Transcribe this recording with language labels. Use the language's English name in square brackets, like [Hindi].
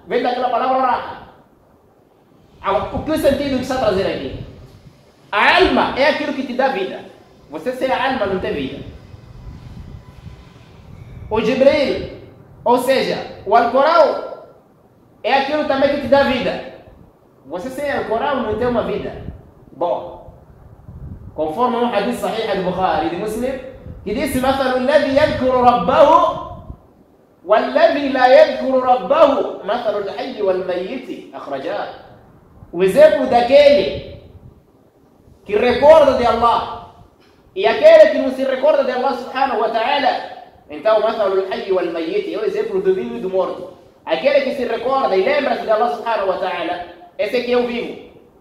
[Portuguese] Vem daquela palavra Raha. Agora, o que sentido que está a trazer aqui? A alma é aquilo que te dá vida. Você sem a alma não tem vida. O Jibreel, ou seja, o Alcorão, é aquilo também que te dá vida. Você sem Alcorão não tem uma vida. Bom, conforme um hadith sahih de Bukhari de Muslim, que disse, [Arabic] مثل الذي يذكر ربه والذي لا يذكر ربه مثل الحي والميت أخرجاه. [Portuguese] O exemplo daquele que recorda de Allah e aquele que não se recorda de Allah subhanahu wa ta'ala. Então, [Arabic] مثل الحي والميت [Portuguese] é o exemplo do vivo e do morto. Aquele que se recorda e lembra-se de Allah subhanahu wa ta'ala, esse aqui é o vivo.